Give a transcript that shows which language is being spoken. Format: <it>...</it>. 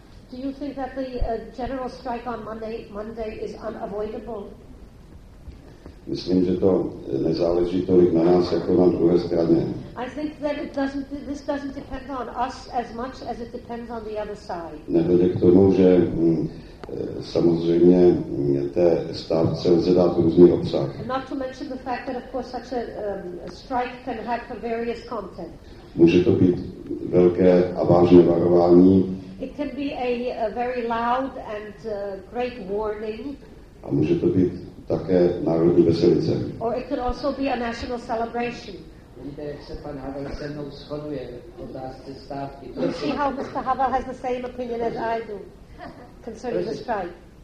<en>Do you think that the general strike on Monday is unavoidable?</en> <cs>Myslím, že to nezáleží tolik na nás, jako na druhé straně.</cs> <en>I think that this doesn't depend on us as much as it depends on the other side.</en> <cs>Nevede k tomu, že samozřejmě té stávce lze dát různý obsah.</cs> <en>Not to mention the fact that of course such a strike can have a various content.</en> <cs>Může to být velké a vážné varování.</cs> <en>It can be a very loud and great warning.</en> <cs>A může to být také národní veselice.</cs> <en>Or it could also be a national celebration.</en> <cs>Vidíte, jak se pan Havel se mnou shoduje v otázce stávky.</cs> <en>You see how Mr. Havel has the same opinion as I do concerning the strike.</en>